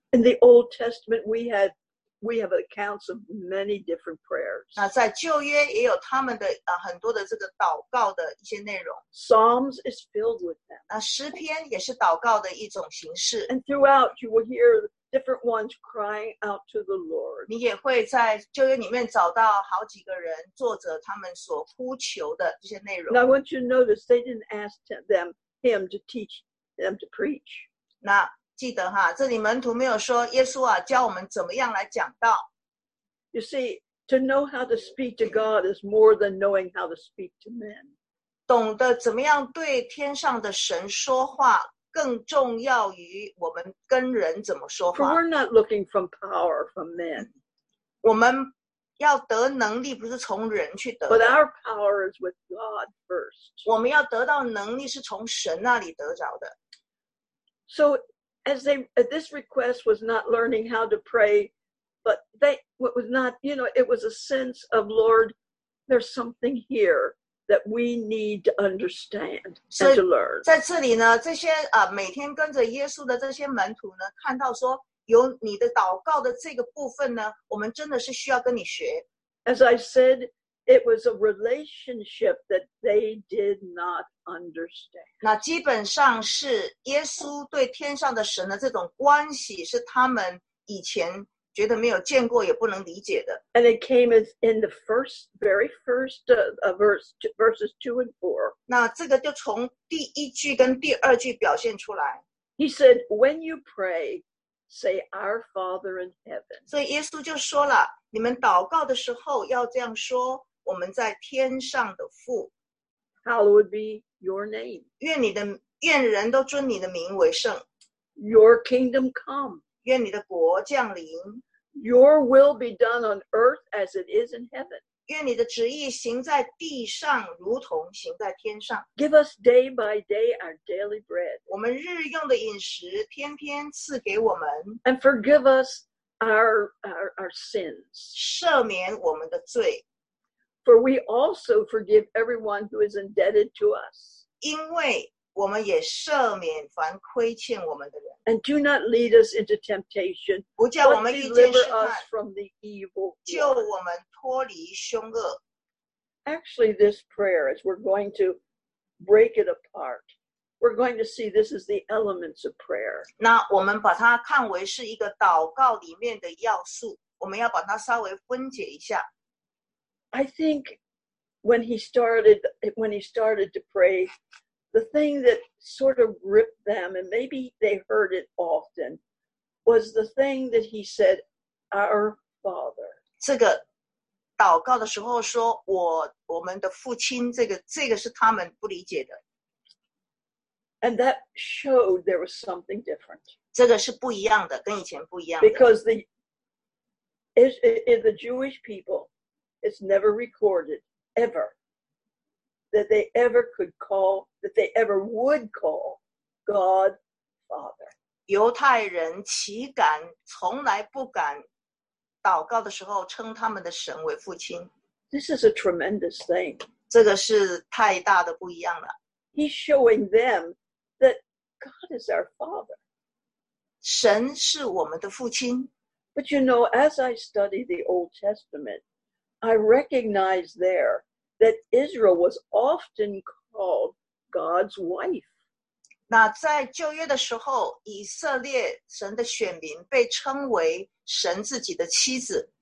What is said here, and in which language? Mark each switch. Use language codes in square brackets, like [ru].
[en] In the Old Testament, we have accounts of many different prayers. [zh] 那在旧约也有他们的很多的这个祷告的一些内容。 [en] Psalms is filled with them. [zh] 那诗篇也是祷告的一种形式。 [en] And throughout you will hear different ones crying out to the Lord. [zh] 你也会在旧约里面找到好几个人作者他们所呼求的这些内容。 [en] Now I want you to notice they didn't ask him to teach them to preach. [zh] 那记得哈，这里门徒没有说耶稣啊，教我们怎么样来讲道。 [en] You see, to know how to speak to God is more than knowing how to speak to men. [zh] 懂得怎么样对天上的神说话，更重要于我们跟人怎么说话。 [en] For we're not looking from power from men. [zh] 我们要得能力不是从人去得。 [en] But our power is with God first. [zh] 我们要得到能力是从神那里得着的。 [en] So,this request was not learning how to pray, but it was a sense of, Lord, there's something here that we need to understand and to learn. [zh] 在这里呢，这些每天跟着耶稣的这些门徒呢，看到说有你的祷告的这个部分呢，我们真的是需要跟你学。 [en] As I said, it was a relationship that they did not. Understand. [zh] 那基本上是耶稣对天上的神的这种关系是他们以前觉得没有见过也不能理解的。 [en] And it came as in the first, very first verses 2 and 4. [zh] 那这个就从第一句跟第二句表现出来。 [en] He said, when you pray, say our Father in heaven. [zh] 所以耶稣就说了，你们祷告的时候要这样说，我们在天上的父。 [en] Hallowed be your name. [zh] 愿人都尊你的名为圣。 [en] Your kingdom come. [zh] 愿你的国降临。 [en] Your will be done on earth as it is in heaven. [zh] 愿你的旨意行在地上，如同行在天上。 [en] Give us day by day our daily bread. [zh] 我们日用的饮食，天天赐给我们。 [en] And forgive us our sins. [zh] 赦免我们的罪。 [en] For we also forgive everyone who is indebted to us. [zh] 因为我们也赦免凡亏欠我们的人。 [en] And do not lead us into temptation, [zh] 不叫我们遇见试探, [en] but deliver us from the evil one. [zh] 救我们脱离凶恶。 [en] Actually, this prayer, as we're going to break it apart, we're going to see this is the elements of prayer. [zh] 那我们把它看为是一个祷告里面的要素，我们要把它稍微分解一下。 [en] I think when he started to pray, the thing that sort of gripped them, and maybe they heard it often, was the thing that he said, "Our Father." [zh] 这个祷告的时候说我们的父亲，这个是他们不理解的。 [en] And that showed there was something different. [zh] 这个是不一样的，跟以前不一样的。 [en] Because the Jewish people. It's never recorded ever that they ever could call, that they ever would call God Father. [zh] 犹太人岂敢从来不敢祷告的时候称他们的神为父亲。 [en] This is a tremendous thing. [zh] 这个是太大的不一样了。 [en] He's showing them that God is our Father. [zh] 神是我们的父亲。 [en] But you know, as I study the Old Testament,I recognize there that Israel was often called God's wife. [zh] 那在旧约的时候，以色列神的选民被称为神自己的妻子。